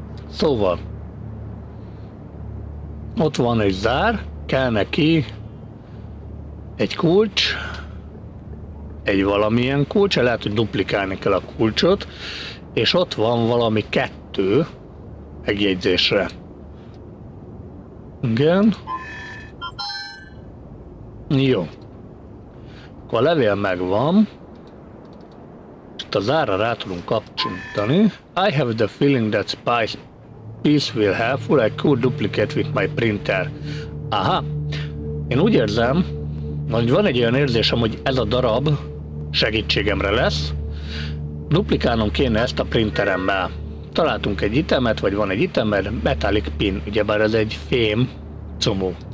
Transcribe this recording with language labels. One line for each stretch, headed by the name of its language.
Hungarian: Szóval, ott van egy zár, kell neki egy kulcs, egy valamilyen kulcs, lehet, hogy duplikálni kell a kulcsot, és ott van valami kettő megjegyzésre. Igen. Jó. Akkor a levél megvan, és itt a zárra rá tudunk kapcsolni.
English: I have the feeling that spice piece will helpful, I could duplicate with my printer. Aha.
Hungarian: Én úgy érzem, hogy van egy olyan érzésem, hogy ez a darab segítségemre lesz. Duplikálnom kéne ezt a printeremmel. Találtunk egy itemet, vagy van egy itemed,
English: metallic pin,
Hungarian: ugyebár ez egy fém cumu.